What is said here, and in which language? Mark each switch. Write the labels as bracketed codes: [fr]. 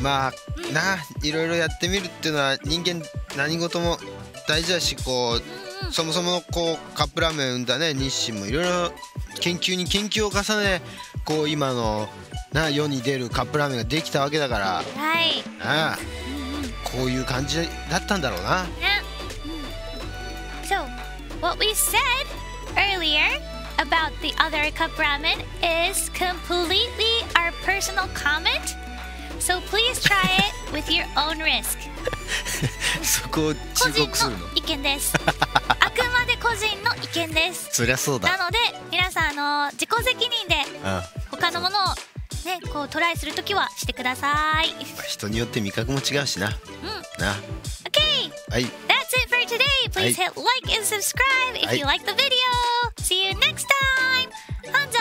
[ja] まあ、な、いろいろやってみるっていうのは人間何事も大事だし、こう、そもそものこうカップラーメン産んだね、日清もいろいろ研究に研究を重ね、こう今のな世に出るカップラーメンができたわけだから、はい、ああこういう感じだったんだろうな。 [en] So, what we said earlier about the other cup ramen is completely our personal comment. So please try it with your own risk. [ja] そこを注目するの？個人の意見です。あくまで個人の意見です。そりゃそうだ。なので皆さん、自己責任で他のものを、ね、こうトライするときはしてください。人によって味覚も違うしな。うん、な。 OK、はい、 [en] That's it for today. Please hit like and subscribe if you like the video. See you next time. [ja] 繁盛、